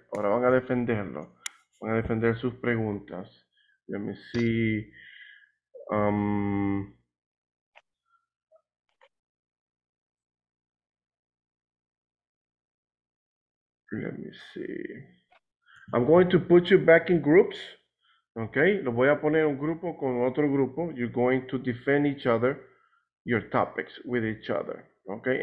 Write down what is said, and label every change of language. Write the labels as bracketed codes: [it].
[es] Ahora van a defenderlo. Van a defender sus preguntas. [en] Let me see. Let me see. I'm going to put you back in groups, okay? [es] Lo voy a poner un grupo con otro grupo. [en] You're going to defend each other, your topics with each other, okay?